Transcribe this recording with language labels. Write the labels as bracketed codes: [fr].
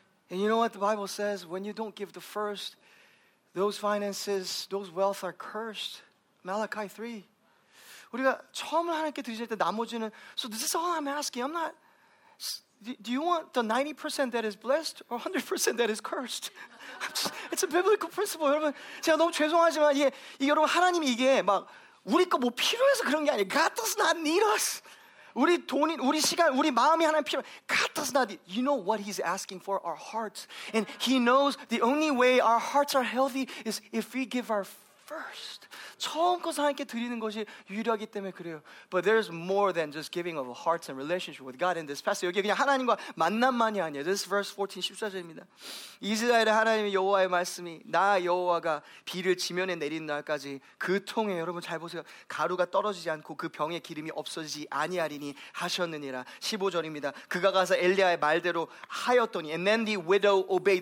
[en] And you know what the Bible says? When you don't give the first, those finances, those wealth are cursed. Malachi 3. [ko] 우리가 처음을 하나님께 드리실 때 나머지는 [en] So this is all I'm asking. I'm not Do you want the 90% that is blessed or 100% that is cursed? It's a biblical principle, 여러분. [ko] 제가 너무 죄송하지만 여러분 하나님이 이게 막 우리 거 뭐 필요해서 그런 게 아니에요. [en] God does not need us. [ko] 우리 돈이 우리 시간 우리 마음이 하나님 필요해. [en] God does not need. You know what he's asking for? Our hearts. And he knows the only way our hearts are healthy is if we give our first. [ko] 처음 것을 하나님께 드리는 것이 유일하기 때문에 그래요. [en] But there's more than just giving of hearts and relationship with God in this passage. [ko] 여기 그냥 하나님과 만남만이 아니에요. [en] This is verse 14, [ko] 14절입니다. 이스라엘의 하나님 여호와의 말씀이 나 여호와가 비를 지면에 내리는 날까지 그 통에 여러분 잘 보세요. 가루가 떨어지지 않고 그 병의 기름이 없어지지 아니하리니 하셨느니라. 15절입니다. 그가 가서 엘리야의 말대로 하였더니 [en] And then the widow obeyed.